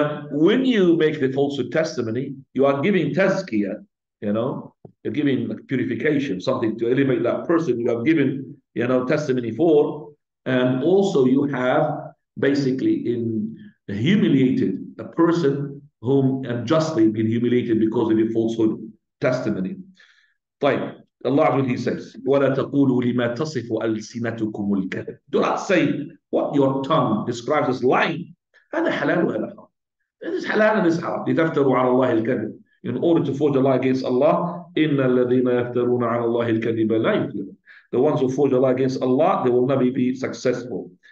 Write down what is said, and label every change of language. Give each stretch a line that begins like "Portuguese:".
English: When you make the falsehood testimony, you are giving tazkiyah, you know, you're giving purification, something to elevate that person you have given, you know, testimony for. And also you have basically humiliated a person whom unjustly been humiliated because of your falsehood testimony. Fine. Allah, he says,
Arabic: وَلَا تَقُولُوا لِمَا تَصِفُ أَلْسِنَتُكُمُ الْكَذِبُ.
English: Do not say what your tongue describes as lying.
Arabic: هذا حلال وهذا حرام.
English: This is halal and this is haram.
Arabic: لِتَفْتَرُوا عَلَى اللَّهِ الْكَذِبُ.
English: In order to forge a lie against Allah,
Arabic: إِنَّ الَّذِينَ يَفْتَرُونَ عَلَى اللَّهِ الْكَذِبَ لَا يُفْلِحُونَ.
English: The ones who forge a lie against Allah, they will never be successful.